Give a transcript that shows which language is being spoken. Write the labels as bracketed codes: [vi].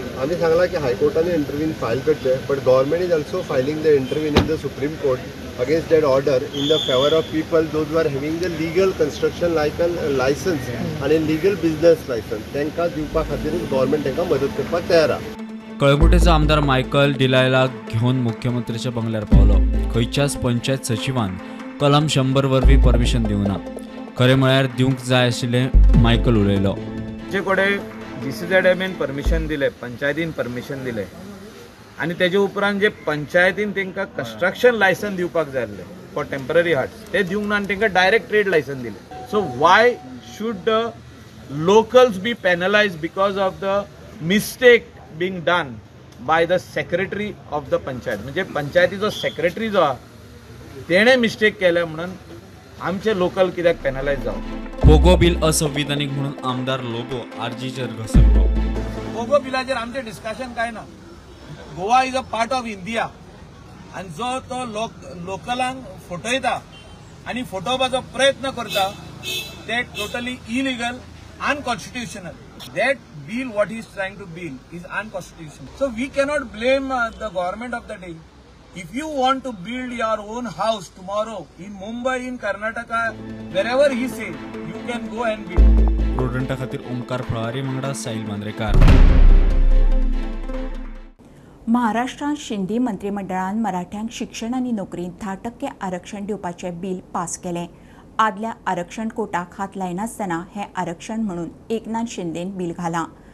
[gom] आम्ही सांगला की हायकोर्टान इंटरव्हीन फायल करचे, [en] but government is also filing the intervene in the supreme court against that order in the favour of people those are having the legal construction licence [gom] आणि legal business licence, त्यांना दिवपा खातीर government त्यांना मदत करपाक तयार आहे. कळंगुटेचो आमदार मायकल डिलायला घेवन मुख्यमंत्र्याच्या बंगल्यार पावलो. खंयच्याच पंचायत सचिवान कलम 100 वरवीं परमिशन दिवना. खरें म्हळ्यार दिवंक जाय आशिल्लें मायकल उलयलो. तुजे कडेन DCZMN परमिशन दिलें, पंचायतीन परमिशन दिलें, आनी तेजे उपरांत जे पंचायतीन तेंकां कन्स्ट्रक्शन लायसन दिवपाक जाय आसलें [en] for temporary hut, [gom] ते दिवंक ना आनी तेंकां डायरेक्ट ट्रेड लायसन दिलें. [en] So why should the locals be penalised because of the mistake being done by the secretary of the panchayat. [gom] म्हणजे पंचायतीचो सेक्रेटरी जो आहा तेणे मिस्टेक केल्या म्हणून आमचे लोकल कित्याक पॅनलायज जाव. पोगो बील असंविधानीक म्हणून आमदार लोबो आरजीचेर घसरलो. पोगो बिलाचेर आमचे डिस्कशन काय ना. [en] Goa is a part of India [gom] आणि जो तो लोकलांक फोटयता आणि फोटोवपाचो प्रयत्न करता ते totally illegal unconstitutional. [en] That bill what is trying to bill is unconstitutional. So we cannot blame the government of the day. If you want to build your own house tomorrow in Mumbai, in Karnataka, wherever he says, you can go and build. [gom] Prudent खातीर ओमकार प्रहारी मंगडा साहिल मांद्रेकार. महाराष्ट्रात शिंदे मंत्रिमंडळान मराठ्यांक शिक्षण आणि नोकरीत 10% आरक्षण दिवपाचे bill pass केले. आदल्या आरक्षण कोटाक हात लायनासतना हे आरक्षण म्हणून एकनाथ शिंदेन बील घाला.